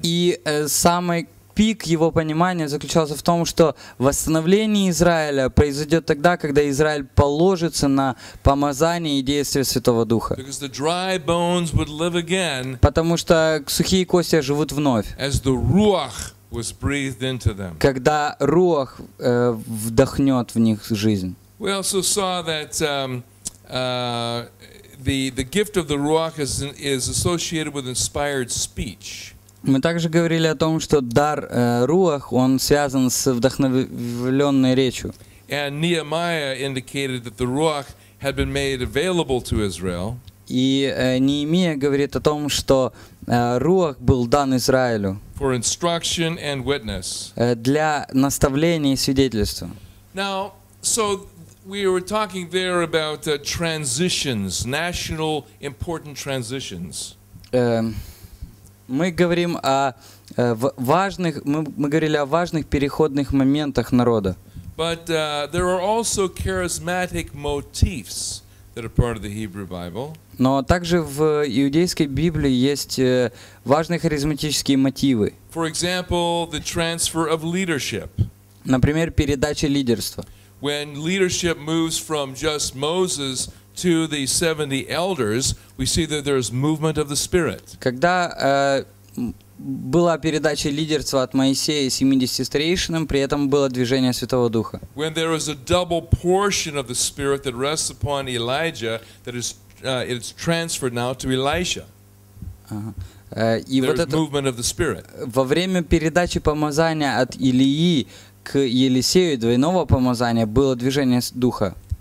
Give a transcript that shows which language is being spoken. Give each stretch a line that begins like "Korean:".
Russian: И самый пик его понимания заключался в том, что восстановление Израиля произойдет тогда, когда Израиль положится на помазание и действие Святого Духа.
English: Because the dry bones would live again.
Russian: Потому что сухие кости живут вновь.
English: As the ruach was breathed into them.
Russian: Когда руах вдохнет в них жизнь.
English: We also saw that the gift of the ruach is associated with inspired speech.
Russian: Мы также говорили о том, что дар руах, он связан с вдохновленной речью.
English: And Nehemiah indicated that the ruach had been made available to Israel.
Russian: И Неемия говорит о том, что руах был дан Израилю.
English: For instruction and witness.
Russian: Для наставления и свидетельства.
English: Now, so we were talking there about transitions, national important transitions.
Russian: Мы говорим о важных, мы говорили о важных переходных моментах народа.
English: But there are also charismatic motifs that are part of the Hebrew Bible.
Russian: Но также в иудейской Библии есть важные харизматические мотивы.
English: For example, the transfer of leadership.
Russian: Например, передача лидерства.
English: When leadership moves from just Moses to the 70 elders, we see that there is movement of the Spirit.
Russian: Когда была передача лидерства от Моисея 70 старейшинам, при этом было движение Святого Духа.
English: When there is a double portion of the Spirit that rests upon Elijah, that is it's transferred now to Elisha. There is movement of the Spirit.
Russian: Во время передачи помазания от Илии к Елисею двойного помазания было движение Духа.